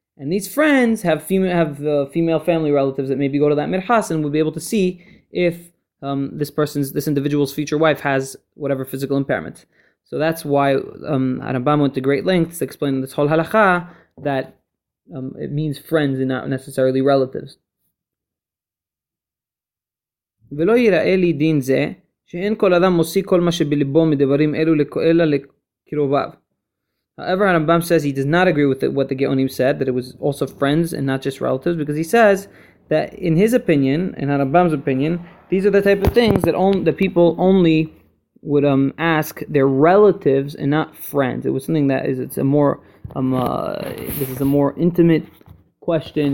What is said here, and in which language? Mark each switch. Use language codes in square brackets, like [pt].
[en] And these friends have female family relatives that maybe go to that mirhas and will be able to see if this individual's future wife has whatever physical impairment. So that's why Rambam went to great lengths to explain this whole halakha that it means friends and not necessarily relatives. [he] ולא יראה לי דין זה, שאין כל אדם מוסיף כל מה שבלבו מדברים אלו אלא לקרוביו. [en] However, Rambam says he does not agree with what the Geonim said, that it was also friends and not just relatives, because he says that in his opinion, in Rambam's opinion, these are the type of things that the people only would ask their relatives and not friends. It was something that is, it's a more, this is a more intimate question.